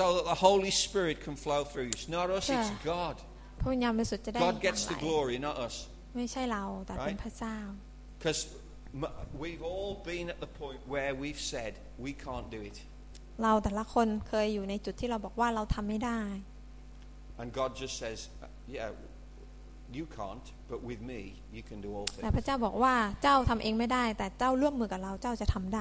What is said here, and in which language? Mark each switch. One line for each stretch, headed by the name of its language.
English: so that the Holy Spirit can flow through it's not us it's God
Thai: พระวิญญาณบริสุทธิ์จะได้
English: God gets the glory not us
Thai: ไม่ใช่เราแต่เป็นพระเจ้า
English: because we've all been at the point where we've said we can't do it
Thai: เราแต่ละคนเคยอยู่ในจุดที่เราบอกว่าเราทำไม่ได้
English: And God just says yeah you can't but with me you can do all things
Thai: แต่พระเจ้าบอกว่าเจ้าทำเองไม่ได้แต่เจ้าร่วมมือกับเราเจ้าจะทำได